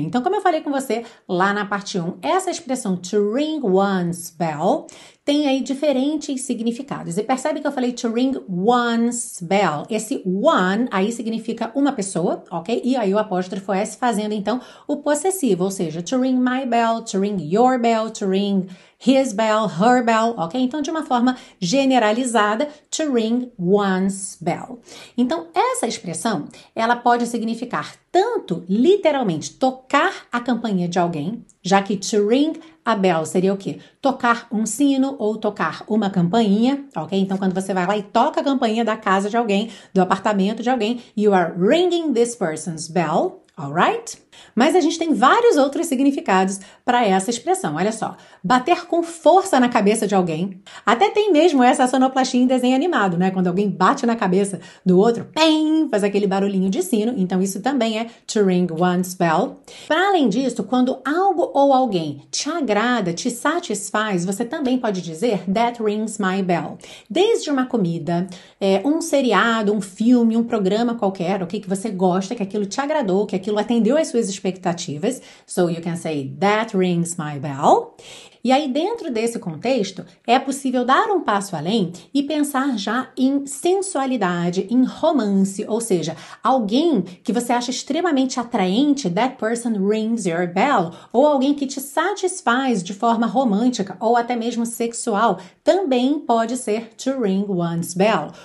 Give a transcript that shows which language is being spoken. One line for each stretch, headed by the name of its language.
Portuguese: Então, como eu falei com você lá na parte 1, essa expressão
English: to ring one's bell
Portuguese: tem aí diferentes significados. E percebe que eu falei to ring one's bell. Esse one aí significa uma pessoa, ok? E aí o apóstrofo S fazendo, então, o possessivo. Ou seja,
English: to ring my bell, to ring your bell, to ring his bell, her bell,
Portuguese: ok? Então, de uma forma generalizada,
English: to ring one's bell.
Portuguese: Então, essa expressão, ela pode significar tanto, literalmente, tocar a campainha de alguém, já que
English: to ring a bell
Portuguese: seria o quê? Tocar um sino ou tocar uma campainha, ok? Então, quando você vai lá e toca a campainha da casa de alguém, do apartamento de alguém,
English: you are ringing this person's bell, alright?
Portuguese: Mas a gente tem vários outros significados para essa expressão, olha só. Bater com força na cabeça de alguém. Até tem mesmo essa sonoplastia em desenho animado, né? Quando alguém bate na cabeça do outro, pem, faz aquele barulhinho de sino. Então, isso também é
English: to ring one's bell.
Portuguese: Para além disso, quando algo ou alguém te agrada, te satisfaz, você também pode dizer
English: that rings my bell.
Portuguese: Desde uma comida, um seriado, um filme, um programa qualquer, okay, que você gosta, que aquilo te agradou, que aquilo atendeu as suas expectativas.
English: So you can say that rings my bell.
Portuguese: E aí, dentro desse contexto, é possível dar um passo além e pensar já em sensualidade, em romance, ou seja, alguém que você acha extremamente atraente,
English: that person rings your bell,
Portuguese: ou alguém que te satisfaz de forma romântica ou até mesmo sexual, também pode ser
English: to ring one's bell.